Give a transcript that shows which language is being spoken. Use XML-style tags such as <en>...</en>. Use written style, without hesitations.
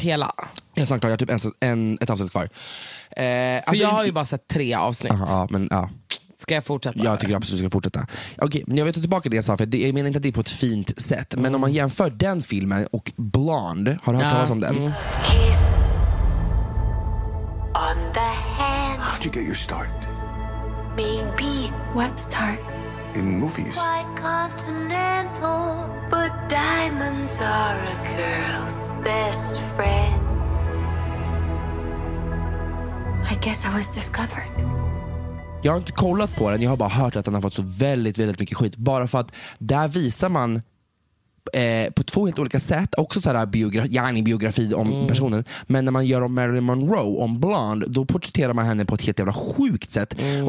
<sv>klart hela? Jag har klart, jag har typ ett avsnitt kvar. Jag har ju bara sett 3 avsnitt. Ja, men ja. Ska jag fortsätta? Jag tycker absolut ska fortsätta. Okej, jag vet tillbaka det jag sa, för jag menar inte att det är på ett fint sätt. Mm. Men om man jämför den filmen och Blonde, har du hört talas om den?</sv> <en>Kiss on the hand. How did you get your start? Maybe. What start? In movies. Quite continental, but diamonds are a girl's best friend. I guess I was discovered.</en> <sv>Jag har inte kollat på den, jag har bara hört att den har fått så väldigt, väldigt mycket skit. Bara för att där visar man på 2 helt olika sätt. Också så här biografi om personen. Men när man gör om Marilyn Monroe, om Blonde, då porträtterar man henne på ett helt jävla sjukt sätt. Mm.</sv>